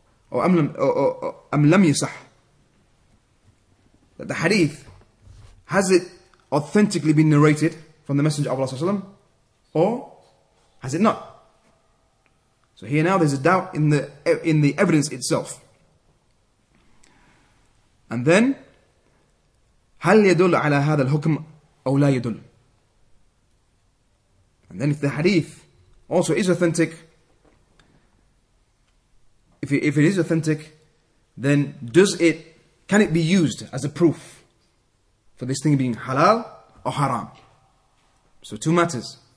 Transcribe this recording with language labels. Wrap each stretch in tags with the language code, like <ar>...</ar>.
<ar>Or am lam yusah?</ar> <en>That the hadith, has it authentically been narrated from the Messenger of Allah sallallahu alaihi wasallam, or has it not? So here now there's a doubt in the evidence itself. And then,</en> <ar>هل يدل على هذا الحكم أو لا يدل?</ar> <en>And then if the hadith also is authentic, if it is authentic, then can it be used as a proof for this thing being halal or haram? So two matters.</en>